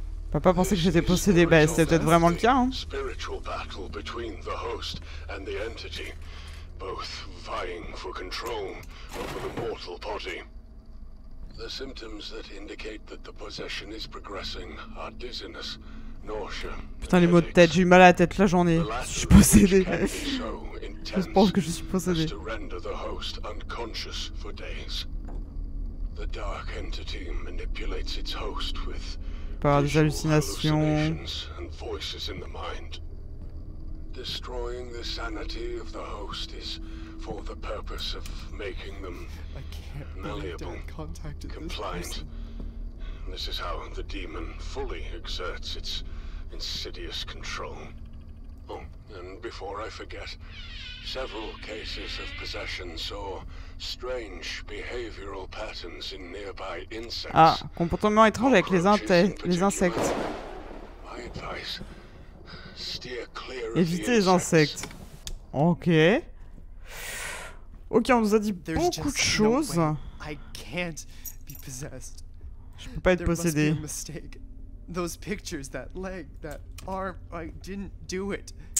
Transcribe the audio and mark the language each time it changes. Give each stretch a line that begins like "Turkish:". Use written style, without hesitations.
French: Papa pensait que j'étais possédé, bah c'était peut-être vraiment le cas, hein.
English: Spiritual battle between the host and the entity, both vying for control over the mortal body. The symptoms that indicate that the possession is progressing are dizziness, nausea.
French: Putain, les maux de tête, j'ai eu mal à la tête la journée. Je suis possédé. Je pense que je suis possédé.
English: To render the host unconscious for days. The dark entity manipulates its host with
French: par des hallucinations
English: and voices in the mind. Destroying the sanity of the host is for the purpose of making them malleable, compliant. This is how the demon fully exerts its insidious control. Oh, and before I forget, several cases of possession saw strange behavioral patterns in nearby insects.
French: Ah, comportement étrange avec les insectes.
English: My advice, steer clear of the insects.
French: Évitez les insectes. Ok. Ok, on nous a dit beaucoup de choses.
English: I can't be possessed.
French: Je peux pas être possédé.
English: Those pictures, that leg, that arm, I didn't do it.